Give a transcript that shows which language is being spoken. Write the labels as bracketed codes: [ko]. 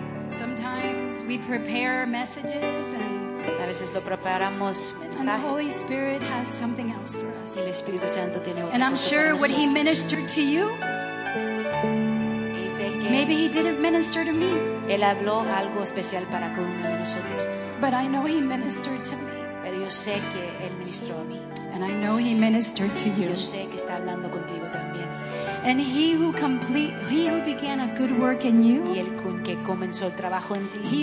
[en] Sometimes we prepare messages, and [es] a veces lo preparamos mensajes. [en] And the Holy Spirit has something else for us. [es] El Espíritu Santo tiene otra cosa. [en] And I'm sure what He ministered to you, maybe He didn't minister to me. [es] Él habló algo especial para cada uno de nosotros. [en] But I know He ministered to me. [es] Pero yo sé que Él ministró a mí. [en] And I know He ministered to you. [es] Yo sé que está hablando contigo también. [en] And he who began a good work in you, [es] y el que comenzó el trabajo en ti,